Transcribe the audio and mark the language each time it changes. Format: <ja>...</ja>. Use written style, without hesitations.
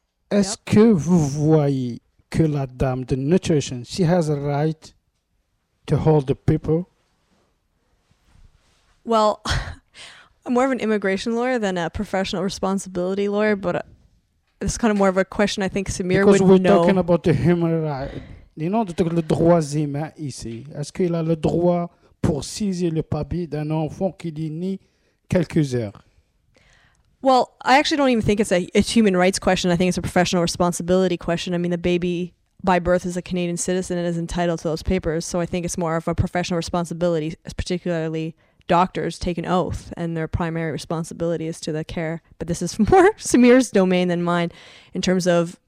<fr>Est-ce que vous voyez que la dame de nutrition,</fr> <en>she has a right to hold the paper? Well, I'm more of an immigration lawyer than a professional responsibility lawyer, but it's kind of more of a question I think Samir would know. Because we're talking about the human right. You know, the</en> <fr>droits humains ici. Est-ce qu'il a le droit pour saisir le papier d'un enfant qui est né quelques heures?</fr> <en>Well, I actually don't even think it's a human rights question. I think it's a professional responsibility question. I mean, the baby by birth is a Canadian citizen and is entitled to those papers. So I think it's more of a professional responsibility, particularly doctors take an oath and their primary responsibility is to the care. But this is more Samir's domain than mine in terms of</en>